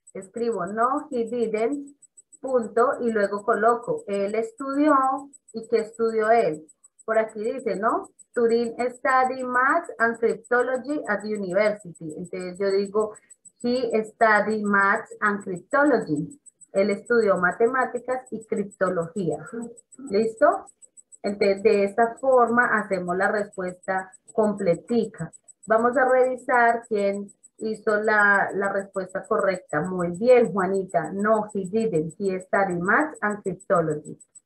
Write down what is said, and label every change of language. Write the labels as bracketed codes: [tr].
[es] Escribo no, [en] he didn't, [es] punto, y luego coloco, él estudió, ¿y qué estudió él? Por aquí dice, ¿no? [en] Turing studied math and cryptology at the university. [es] Entonces, yo digo, [en] he studied math and cryptology. [es] Él estudió matemáticas y criptología. ¿Listo? Entonces, de esta forma hacemos la respuesta completica. Vamos a revisar quién hizo la respuesta correcta. Muy bien, Juanita. [en] No, he didn't. He studied math and cryptology.